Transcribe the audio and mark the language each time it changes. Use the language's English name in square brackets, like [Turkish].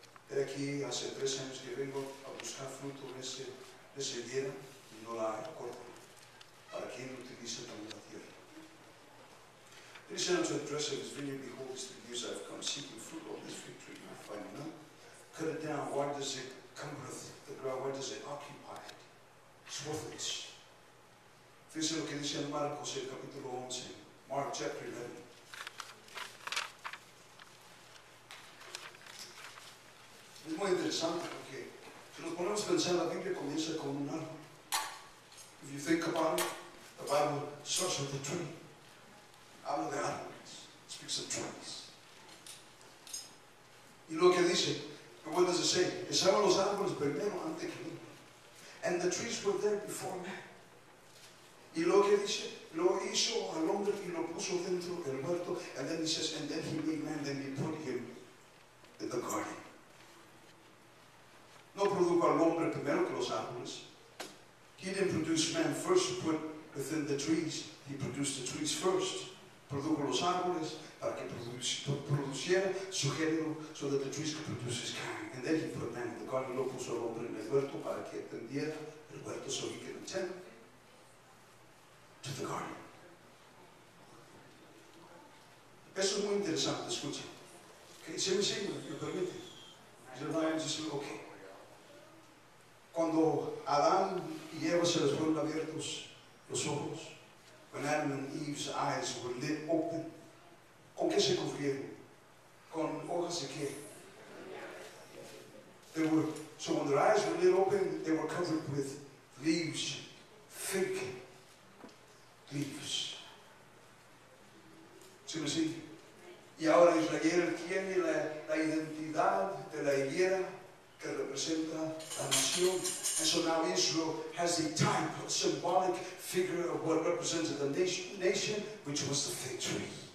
[Spanish] He aquí hace 3 años que vengo a buscar fruto en ese día y no la corto. ¿Para quien utiliza también la tierra? [English] He said unto the dresser of his vineyard, behold, these 3 years I have come seeking fruit on this fig tree, and I find none. Cut it down. Why does it cumbereth the ground? Why does it occupy it? It's worthless. [Spanish] Fíjense lo que dice en Marcos, el capítulo 11. [English] Mark chapter 11. [Spanish] Es muy interesante porque si nos ponemos a pensar, la Biblia comienza con un árbol. [English] If you think about it, the Bible starts with a tree. [Spanish] Habla de árboles. [English] Speaks of trees. [Spanish] Y lo que dice, [English] what does it say? [Spanish] Estaban los árboles primero antes que mí. [English] And the trees were there before me. [Spanish] Y lo que dice, lo hizo al hombre y lo puso dentro del huerto. [English] And then he says, and then he made man, then he put him in the garden. [Spanish] No produjo al hombre primero que los árboles. [English] He didn't produce man first, put within the trees. He produced the trees first. [Spanish] Produjo los árboles para que produciera su género, [English] so that the trees could produce his kind. And then he put man in the garden. [Spanish] Lo puso al hombre en el huerto [English] para que atendiera el huerto, so he could attend to the garden. [Spanish] Eso es muy interesante, escucha. Okay, se me sigue, me permite. Okay. Cuando Adán y Eva se les fueron abiertos los ojos, [English] when Adam and Eve's eyes were lit open, [Spanish] ¿con qué se cubrieron? ¿Con hojas de qué? [English] They were, so when their eyes were lit open, they were covered with leaves, thick leaves. [Spanish] ¿Sí me sigue? Y ahora Israel tiene la identidad de la higuera que representa la nación. [English] And so now Israel has a type, a symbolic figure of what represented the nation, which was the fig tree.